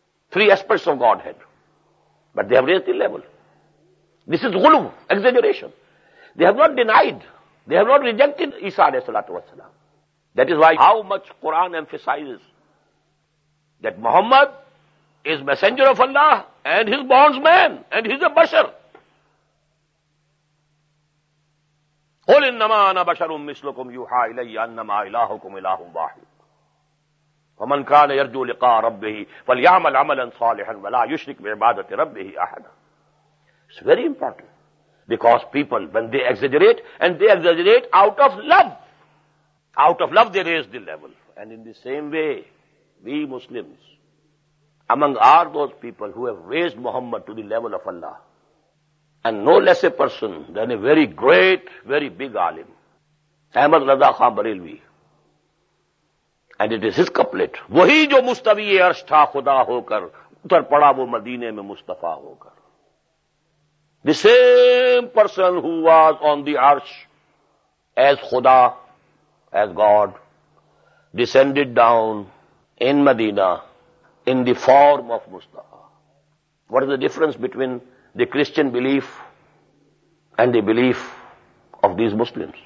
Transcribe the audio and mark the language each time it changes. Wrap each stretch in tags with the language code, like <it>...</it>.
<en>Three aspects of Godhead. But they have raised the level. This is ghulu, exaggeration. They have not denied. They have not rejected Isa alayhi salatu wasalam. That is why how much Quran emphasizes that Muhammad is messenger of Allah and his bondsman and he's a bashar.</en> <ar>قل انما انا بشر مثلكم يوحى الي انما الهكم اله واحد ومن كان يرجو لقاء ربه فليعمل عملا صالحا ولا يشرك بعبادة ربه احدا.</ar> <en>It's very important because people, when they exaggerate, and they exaggerate out of love they raise the level. And in the same way, we Muslims, among are those people who have raised Muhammad to the level of Allah. And no less a person than a very great, very big alim, Ahmad Raza Khan Barelvi. And it is his couplet,</en> <ur>وہی جو مستوی عرش تھا خدا ہو کر اتر پڑا وہ مدینے میں مصطفیٰ ہو کر.</ur> <en>The same person who was on the arsh as Khuda, as God, descended down in Medina in the form of Mustafa. What is the difference between the Christian belief and the belief of these Muslims?</en>